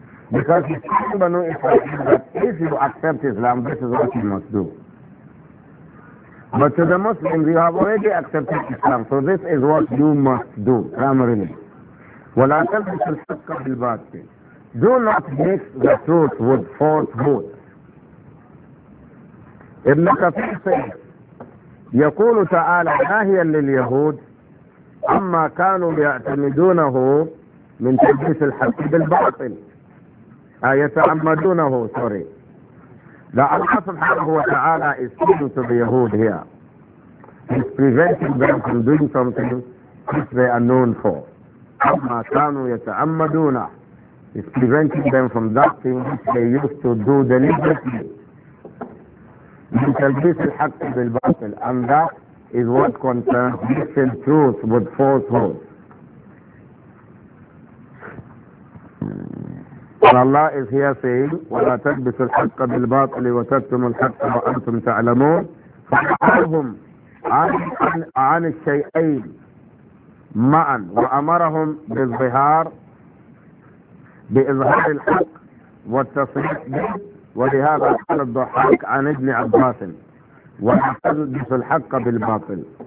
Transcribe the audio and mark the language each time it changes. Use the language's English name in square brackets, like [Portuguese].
[English] Because he's telling Banu Israel that if you accept Islam, this is what you must do. But to the Muslims, you have already accepted Islam, so this is what you must do, primarily. [Arabic] وَلَا تَلْبِسُ الْحَقَّ بِالْبَاطِلِ. [English] Do not mix the truth with falsehood. Ibn Kathir says, [Arabic] يقول تعالى ناهيا لليهود أما كانوا يعتمدونه من تلبيس الحق بالباطل يتعمدونه [English] sorry. The Allah subhanahu wa ta'ala is speaking to the Yahud here. He's preventing them from doing something which they are known for. [Arabic] أما كانوا يتعمدون. [English] He's preventing them from that thing which they used to do deliberately. [Arabic] من تلبيس الحق بالباطل. [English] And that is what concerns mixing truth with falsehood. And Allah is here saying, [Arabic] وَلَا تَلْبِسُ الْحَقَّ بِالْبَاطِلِ وَتَكْتُمُ الْحَقَّ وَأَنْتُمْ تَعْلَمُونَ فَأَمَرَهُمْ عَنِ الشَّيْئَيْنِ مَعًا وَأَمَرَهُمْ بِالظِّهَارِ بِإِظْهَارِ الْحَقِّ وَالتَّصْرِيحِ وَلِهَذَا قَالَ الضُّحَاكُ عَنِ ابْنِ عَبَّاسٍ وَلَا تَلْبِسُ الْحَقَّ بِالْبَاطِلِ.